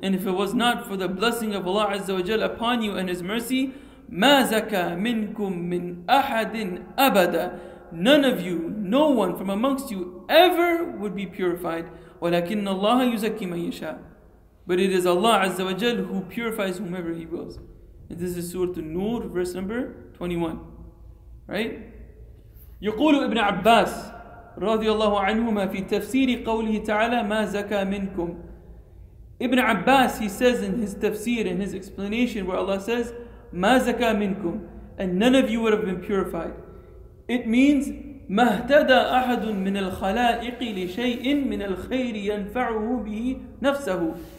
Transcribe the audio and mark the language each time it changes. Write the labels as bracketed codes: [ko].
[en] And if it was not for the blessing of Allah Azza wa Jal upon you and His mercy, [ar] مَا زَكَى مِنْكُمْ مِنْ أَحَدٍ أَبَدًا. [en] None of you, no one from amongst you ever would be purified. [ar] وَلَكِنَّ اللَّهَ يُزَكِّي مَنْ يَشَاءَ. [en] But it is Allah Azza wa Jal who purifies whomever He wills. And this is Surah An-Nur, verse number 21. Right? [ar] يقول ابن عباس رضي الله عنهما في تفسير قوله تعالى ما زكى منكم. [en] Ibn Abbas, he says in his tafsir, in his explanation, where Allah says [ar] ما زكى منكم, [en] and none of you would have been purified. It means [ar] ما اهتدى أحد من الخلائق لشيء من الخير ينفعه به نفسه.